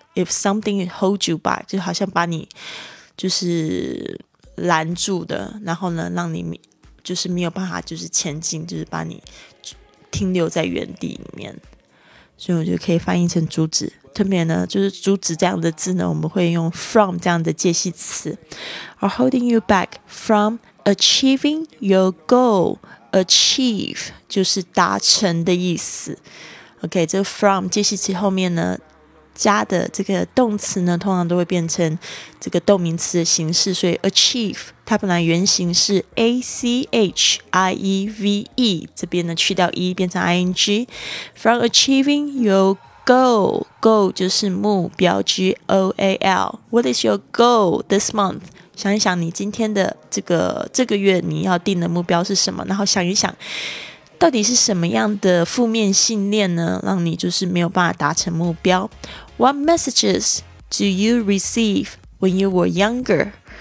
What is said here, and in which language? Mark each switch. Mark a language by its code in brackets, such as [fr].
[en] If something holds you back [zh] 就好像把你就是拦住的，然后呢让你就是没有办法就是前进，就是把你停留在原地里面，所以我就可以翻译成阻止。特别呢就是阻止这样的字呢，我们会用 from 这样的介系词。 [en] Are holding you back from achieving your goal. [zh] Achieve 就是达成的意思。 OK， 这个 from 介系词后面呢加的这个动词呢，通常都会变成这个动名词的形式，所以 achieve 它本来原型是 achieve， 这边呢去掉 e 变成 ing， [en] from achieving your goal， [zh] goal 就是目标 goal， [en] what is your goal this month？ [zh] 想一想你今天的这个月你要定的目标是什么，然后想一想到底是什么样的负面信念呢，让你就是没有办法达成目标。 [en] What messages do you receive when you were younger？